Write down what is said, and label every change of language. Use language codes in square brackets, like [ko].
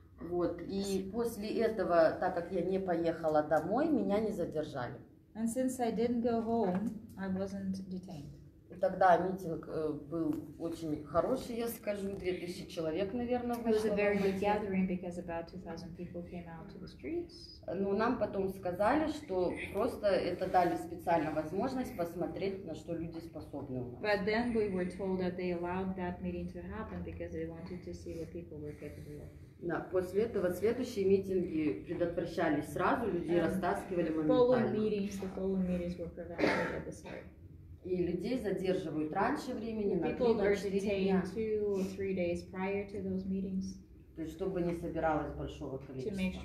[ru] Вот, и после этого, так как я не поехала домой, меня не задержали. [en] And since I didn't go home, I wasn't detained. [ru] Тогда митинг был очень хороший, я скажу, 2000 человек, наверное, вышло. [en] It was a very big gathering because about 2000 people came out to the streets. [ru] Но нам потом сказали, что просто это дали специально возможность посмотреть, на что люди способны. [en] But then we were told that they allowed that meeting to happen because they wanted to see what people were capable of. [ru] Да, после этого следующие митинги предотвращались сразу, людей растаскивали моментально. И людей задерживают раньше времени, на 3-4 дня. То есть, чтобы не собиралось большого количества.